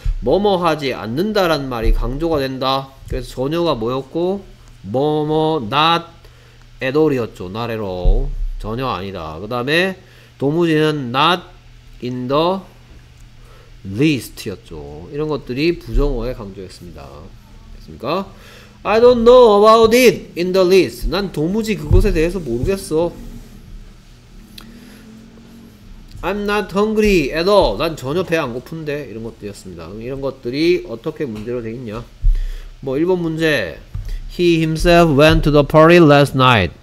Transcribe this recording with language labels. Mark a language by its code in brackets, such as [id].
[ko] 뭐뭐하지 않는다라는 말이 강조가 된다. 그래서 전혀가 뭐였고 뭐뭐 [en] not at all [ko] 이었죠. [en] not at all [ko] 전혀 아니다. 그 다음에 도무지는 [en] not in the least [ko] 였죠. 이런 것들이 부정어에 강조했습니다. 됐습니까? [en] I don't know about it in the least. [ko] 난 도무지 그것에 대해서 모르겠어. [en] I'm not hungry at all. [ko] 난 전혀 배 안 고픈데 이런 것들이었습니다. 이런 것들이 어떻게 문제로 돼 있냐? 뭐 1번 문제 [en] He himself went to the party last night.